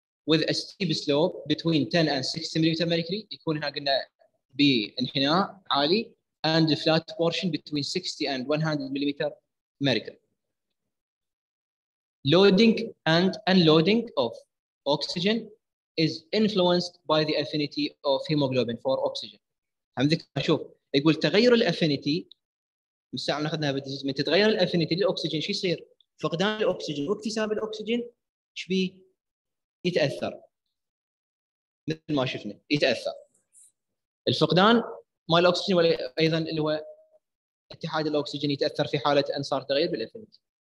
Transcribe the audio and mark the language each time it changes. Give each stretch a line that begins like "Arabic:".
English: With a steep slope between 10 and 60 millimeter mercury.
Arabic: يكون هنا قلنا بانحناء عالي.
English: And the flat portion between 60 and 100 millimeter mercury. Loading and unloading of oxygen is influenced by the affinity of hemoglobin for oxygen.
Arabic: شوف يقول تغير الافينيتي مساء ناخذها بالديزيز من تتغير الافينيتي للاكسجين شو يصير؟ فقدان الاكسجين واكتساب الاكسجين ايش بي يتاثر مثل ما شفنا يتاثر الفقدان مال الاكسجين وايضا اللي هو اتحاد الاكسجين يتاثر في حاله ان صار تغير بالافينيتي.